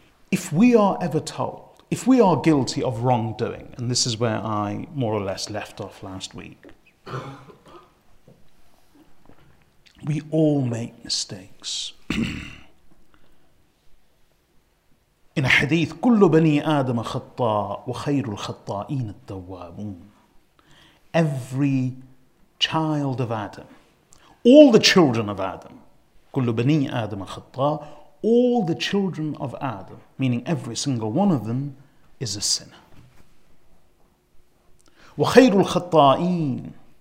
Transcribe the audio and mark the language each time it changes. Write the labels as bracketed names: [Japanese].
[English] If we are ever told, if we are guilty of wrongdoing, and this is where I more or less left off last week, we all make mistakes. In a hadith, [Arabic] كُلُّ بَنِي آدَمَ خَطَّاءُ وَخَيْرُ الْخَطَّائِينَ الدَّوَّابُونَ. [English] Every child of Adam, all the children of Adam, [Arabic] كُلُّ بَنِي آدَمَ خَطَّاءُ, [English] all the children of Adam, meaning every single one of them, is a sinner. [Arabic] وَخَيْرُ الْخَطَّائِينَ.